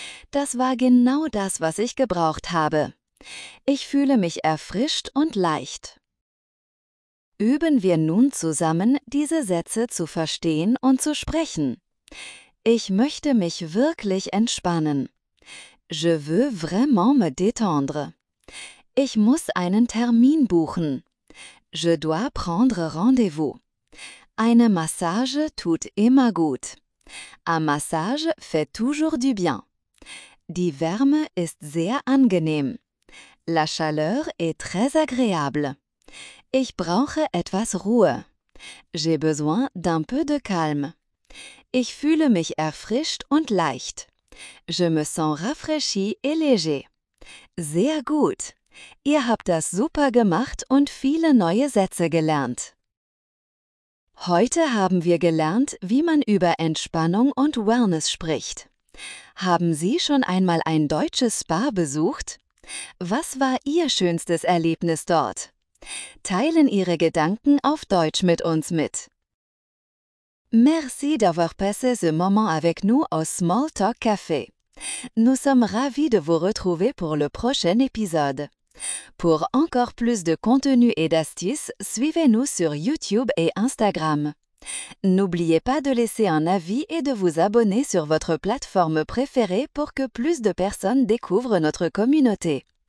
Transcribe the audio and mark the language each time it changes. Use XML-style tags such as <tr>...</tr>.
<de>Das war genau das, was ich gebraucht habe. Ich fühle mich erfrischt und leicht. Üben wir nun zusammen, diese Sätze zu verstehen und zu sprechen. Ich möchte mich wirklich entspannen.</de> <fr>Je veux vraiment me détendre.</fr> <de>Ich muss einen Termin buchen.</de> <fr>Je dois prendre rendez-vous.</fr> <de>Eine Massage tut immer gut.</de> <fr>A massage fait toujours du bien.</fr> <de>Die Wärme ist sehr angenehm.</de> <fr>La chaleur est très agréable.</fr> <de>Ich brauche etwas Ruhe.</de> <fr>J'ai besoin d'un peu de calme.</fr> <de>Ich fühle mich erfrischt und leicht.</de> <fr>Je me sens rafraîchi et léger.</fr> <de>Sehr gut! Ihr habt das super gemacht und viele neue Sätze gelernt. Heute haben wir gelernt, wie man über Entspannung und Wellness spricht. Haben Sie schon einmal ein deutsches Spa besucht? Was war Ihr schönstes Erlebnis dort? Teilen Ihre Gedanken auf Deutsch mit uns mit.</de> <fr>Merci d'avoir passé ce moment avec nous au Small Talk Café. Nous sommes ravis de vous retrouver pour le prochain épisode. Pour encore plus de contenu et d'astuces, suivez-nous sur YouTube et Instagram. N'oubliez pas de laisser un avis et de vous abonner sur votre plateforme préférée pour que plus de personnes découvrent notre communauté.</fr>